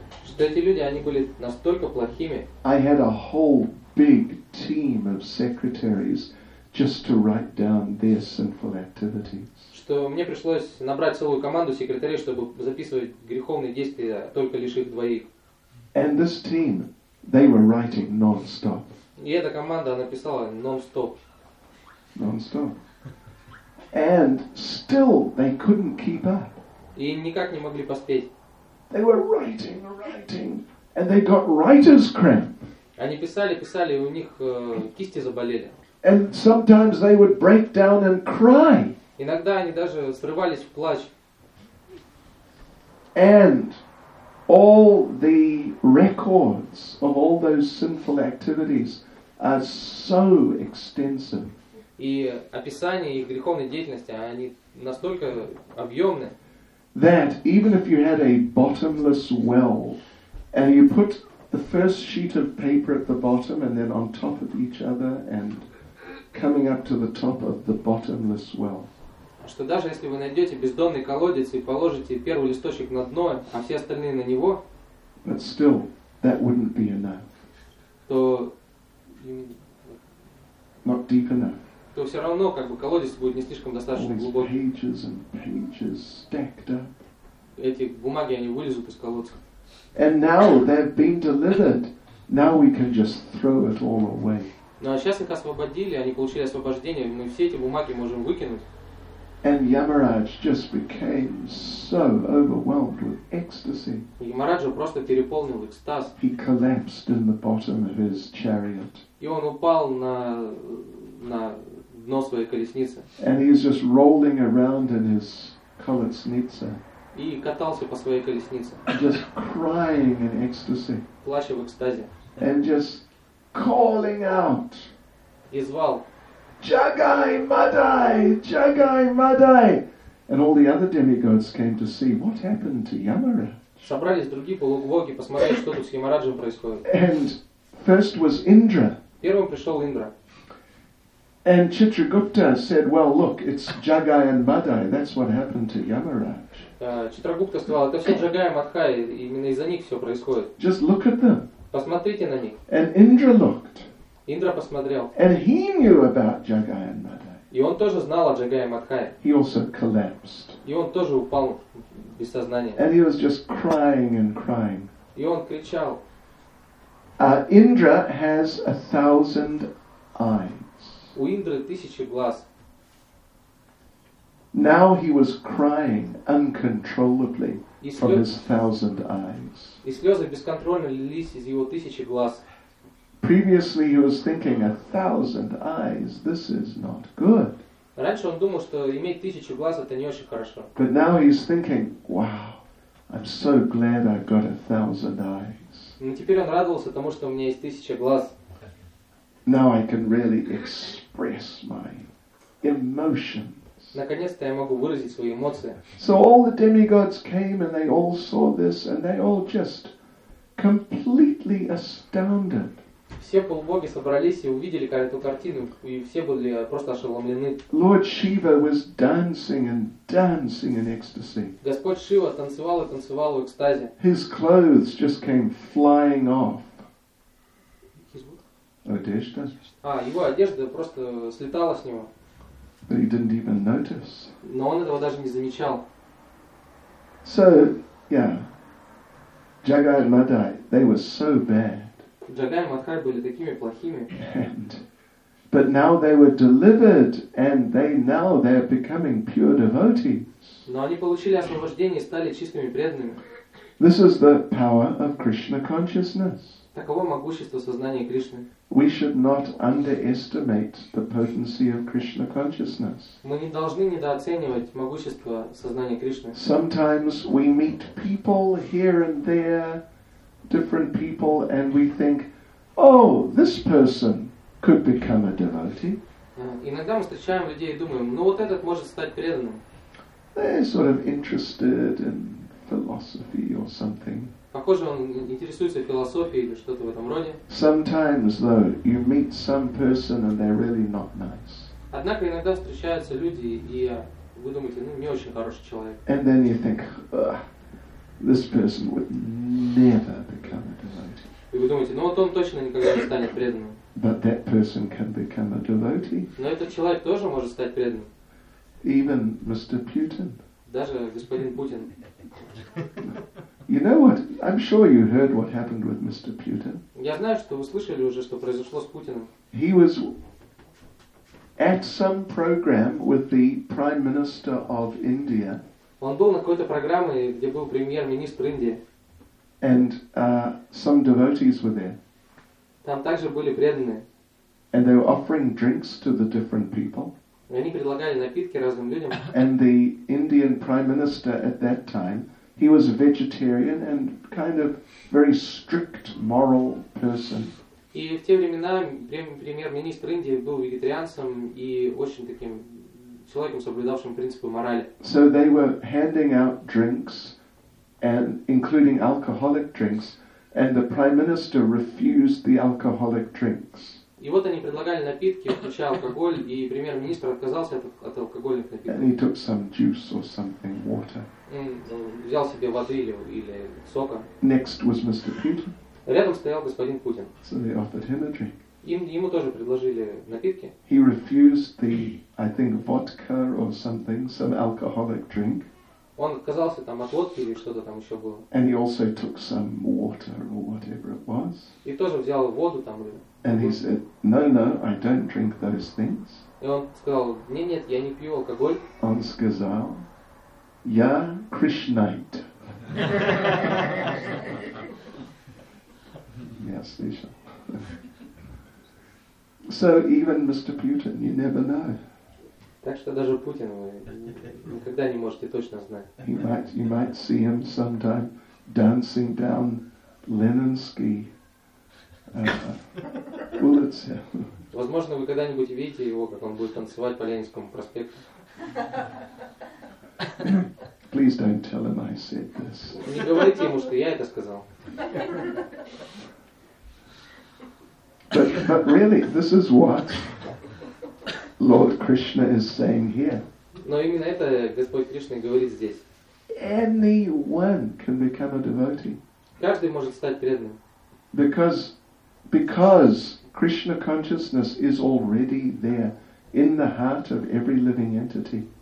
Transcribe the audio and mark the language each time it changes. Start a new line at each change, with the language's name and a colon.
Russian: Что эти люди, они были настолько плохими.
English: I had a whole big team of secretaries just to write down their sinful activities.
Russian: Что мне пришлось набрать целую команду секретарей, чтобы записывать греховные действия только лишь их двоих.
English: And this team, they were writing non-stop.
Russian: И эта команда написала нон-стоп.
English: Non-stop. And still they couldn't keep up.
Russian: И никак не могли поспеть.
English: They were writing, writing, and they got writer's cramp.
Russian: Они писали, писали, и у них кисти заболели.
English: And sometimes they would break down and cry.
Russian: Иногда они даже срывались в плач.
English: And all the records of all those sinful activities are so extensive.
Russian: И описание их греховной деятельности, они настолько объемны.
English: That even if you had a bottomless well, and you put the first sheet of paper at the bottom, and then on top of each other, and coming up to the top of the bottomless well.
Russian: Что даже если вы найдете бездонный колодец и положите первый листочек на дно, а все остальные на него,
English: but still, that wouldn't be enough.
Russian: То
English: not deep enough.
Russian: То все равно как бы колодец будет не слишком достаточно глубоким.
English: Pages and pages stacked up.
Russian: Эти бумаги они вылезут из колодца.
English: And now they've been delivered. Now we can just throw it all away.
Russian: Ну а сейчас их освободили, они получили освобождение, мы все эти бумаги можем выкинуть.
English: And Yamaraj just became so overwhelmed with ecstasy.
Russian: Ямараджа просто переполнил экстаз.
English: He collapsed in the bottom of his chariot.
Russian: И он упал на дно своей колесницы.
English: And he's just rolling around in his колесница.
Russian: И катался по своей колеснице.
English: Just crying in ecstasy.
Russian: Плача в экстазе.
English: And just calling out.
Russian: И звал.
English: Jagai Madai! Jagai Madai! And all the other demigods came to see what happened to Yamaraj.
Russian: Собрались другие полубоги посмотреть, что тут с Ямараджем происходит.
English: And first was Indra.
Russian: Первым пришел Индра.
English: And Chitragupta said, well, look, it's Jagai and Madai. That's what happened to Yamaraj.
Russian: Chitragupta сказал, это все Jagai и Madai. Именно из-за них все происходит.
English: Just look at them.
Russian: Посмотрите на них.
English: And Indra looked.
Russian: Индра посмотрел.
English: And he knew about Jagai and Madai.
Russian: И он тоже знал о Jagai и Madai.
English: He also collapsed.
Russian: И он тоже упал без сознания.
English: And he was just crying and crying.
Russian: И он кричал.
English: Indra has 1,000 eyes.
Russian: У Индры 1,000 глаз.
English: Now he was crying uncontrollably from his 1,000 eyes.
Russian: И слезы бесконтрольно лились из его 1,000 глаз.
English: Previously he was thinking 1,000 eyes, this is not good.
Russian: Раньше он думал, что иметь 1,000 глаз это не очень хорошо.
English: But now he's thinking, wow, I'm so glad I've got 1,000 eyes.
Russian: Но теперь он радовался тому, что у меня есть 1,000 глаз.
English: Now I can really express my emotions.
Russian: Наконец-то я могу выразить свои эмоции.
English: So all the demigods came and they all saw this and they all just completely astounded.
Russian: Все полубоги собрались и увидели эту картину, и все были просто ошеломлены.
English: Lord Shiva was dancing and dancing in ecstasy.
Russian: Господь Шива танцевал и танцевал в экстазе.
English: His clothes just came flying off.
Russian: Одежда? Его одежда просто слетала с него.
English: But he didn't even notice.
Russian: Но он этого даже не замечал.
English: So, yeah, Jagai and Madai, they were so bad.
Russian: Jagai and Madai были такими плохими.
English: And, but now they were delivered, and they are becoming pure devotees.
Russian: Но они получили освобождение и стали чистыми преданными.
English: This is the power of Krishna consciousness.
Russian: Таково могущество сознания Кришны.
English: We should not underestimate the potency of Krishna consciousness.
Russian: Мы не должны недооценивать могущество сознания Кришны.
English: Sometimes we meet people here and there. Different people, and we think, oh, this person could become a devotee.
Russian: Иногда мы встречаем людей и думаем, ну вот этот может стать преданным.
English: They're sort of interested in philosophy or something.
Russian: Похоже, он интересуется философией или что-то в этом роде.
English: Sometimes, though, you meet some person and they're really not nice.
Russian: Однако иногда встречаются люди и вы думаете, ну не очень хороший человек.
English: And then you think, this person would never become a devotee.
Russian: И вы думаете, ну вот он точно никогда не станет преданным.
English: But that person can become a devotee.
Russian: Но этот человек тоже может стать преданным.
English: Even Mr. Putin.
Russian: Даже господин Путин.
English: You know what? I'm sure you heard what happened with Mr. Putin.
Russian: Я знаю, что вы слышали уже, что произошло с Путиным.
English: He was at some program with the Prime Minister of India.
Russian: Он был на какой-то программе, где был премьер-министр Индии.
English: And some devotees were there.
Russian: Там также были преданные.
English: And they were offering drinks to the different people.
Russian: Они предлагали напитки разным людям.
English: And the Indian Prime Minister at that time, he was a vegetarian and kind of very strict moral person.
Russian: И в те времена премьер-министр Индии был вегетарианцем и очень таким человеком, соблюдавшим принципы морали.
English: So they were handing out drinks, and including alcoholic drinks, and the Prime Minister refused the alcoholic drinks.
Russian: И вот они предлагали напитки, включая алкоголь, и премьер-министр отказался от алкогольных напитков.
English: And he took some juice or something, water.
Russian: Взял себе воды или сока.
English: Next was Mr. Putin.
Russian: Рядом стоял господин Путин.
English: So they offered him a drink.
Russian: Ему тоже предложили напитки.
English: He refused the, I think, vodka or something, some alcoholic drink.
Russian: Он отказался там от водки или что-то там еще было.
English: And he also took some water or whatever it was.
Russian: И тоже взял воду там.
English: And he said, no, I don't drink those things.
Russian: И он сказал, нет, я не пью алкоголь. Он сказал, я Кришнаит. Я слышал.
English: So even Mr. Putin, you never know.
Russian: Так что даже Путин вы никогда не можете точно знать.
English: You might see him sometime dancing down Leninsky.
Russian: Улица. Возможно, вы когда-нибудь видите его, как он будет танцевать по Ленинскому проспекту.
English: Please don't tell him I said this.
Russian: Не говорите ему, что я это сказал.
English: But really, this is what Lord Krishna is saying here.
Russian: Но именно это Господь Кришна говорит здесь.
English: Anyone can become a devotee.
Russian: Каждый может стать преданным.
English: Because Krishna consciousness is already there in the heart of every living entity.